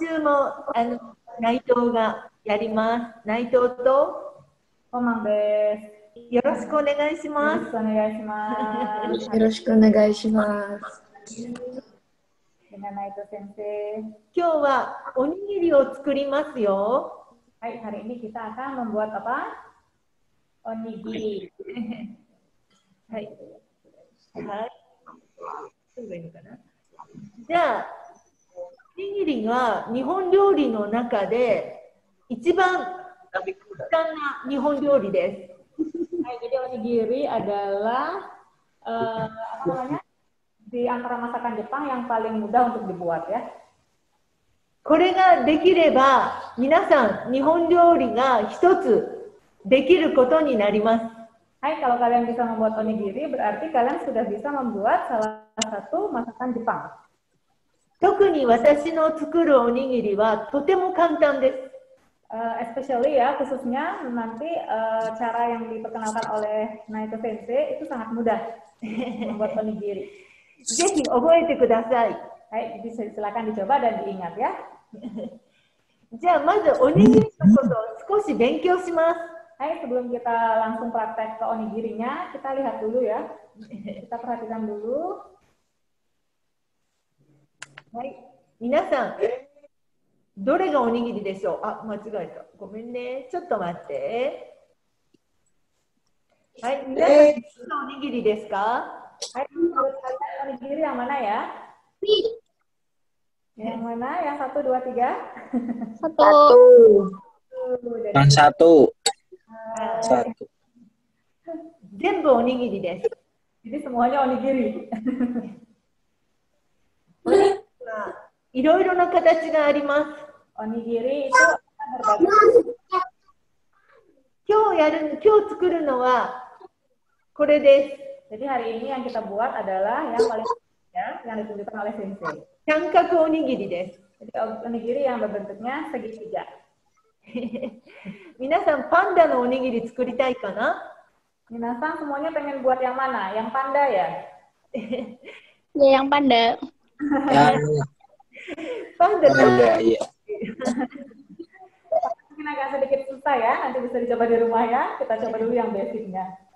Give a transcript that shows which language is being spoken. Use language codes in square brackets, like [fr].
[ja] 今週も内藤がやります。内藤とコマンです。よろしくお願いします。よろしくお願いします。よろしくお願いします。みな内藤先生。今日はおにぎりを作りますよ。 [id] はい、hari ini kita akan membuat apa? [ja] おにぎり。はい。はい。どうがいいのかな？じゃあ、おにぎりは日本料理の中で一番簡単な日本料理です。 [id] はい、jadi おにぎり adalah apa namanya? Di antara masakan Jepang yang paling mudah untuk dibuat ya. [ja] これができれば皆さん日本料理が一つできることになります。 [id] はい、kalau kalian bisa membuat おにぎり berarti kalian sudah bisa membuat salah satu masakan Jepang. [ja] 特に私の作るおにぎりはとても簡単です。 [en] Especially [id] ya, khususnya nanti cara yang diperkenalkan oleh Naito Sensei itu sangat mudah membuat onigiri. [ja] Jadi,覚えてください。 [id] はい、bisa silakan dicoba dan diingat ya. [ja] じゃあまずおにぎりのことを少し勉強します。 [id] はい、sebelum kita langsung praktek ke onigirinya, kita lihat dulu ya. Kita perhatikan dulu. [ja] はい、皆さん、どれがおにぎりでしょう？あ、間違えた。ごめんね。ちょっと待って。はい、皆さん、どのおにぎりですか？はい、おにぎりはまなや？みぃ。やまなや、さと、どわ、ひが。さと。さと。さと。全部おにぎりです。いいです、もはやおにぎり。いろいろな形があります。おにぎり。今日作るのはこれです。 [id] Jadi hari ini yang kita buat adalah yang paling ya yang ditunjukkan oleh sensei. [ja] 三角おにぎりです。 [id] Jadi おにぎり yang berbentuknya segitiga. [ja] 皆さんパンダのおにぎり作りたいかな？ [id] 皆さん semuanya pengen buat yang mana? Yang panda ya? Ya yang panda. Panda. Panda ya. Mungkin agak sedikit susah ya, nanti bisa dicoba di rumah ya. Kita coba dulu yang basicnya.